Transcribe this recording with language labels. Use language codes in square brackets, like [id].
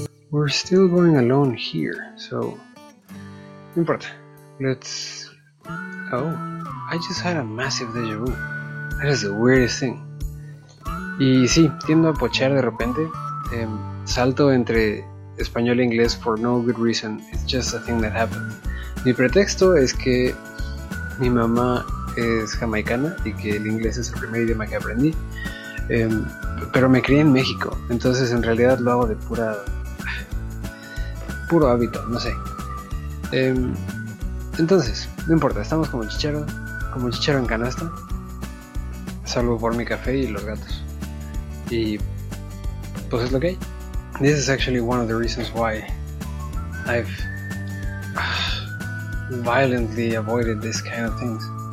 [en] We're still going alone here, so [es] no importa. [en] Let's. Oh, I just had a massive déjà vu. That is the weirdest thing. [es] Y sí, tiendo a pochar de repente. Salto entre español e inglés [en] for no good reason. It's just a thing that happened. [es] Mi pretexto es que mi mamá es jamaicana y que el inglés es el primer idioma que aprendí. Pero me crié en México, entonces en realidad lo hago de pura. Puro hábito, no sé. Entonces, no importa, estamos como chichero en canasta, salvo por mi café y los gatos. Y pues es lo que hay. [en] This is actually one of the reasons why I've violently avoided this kind of things.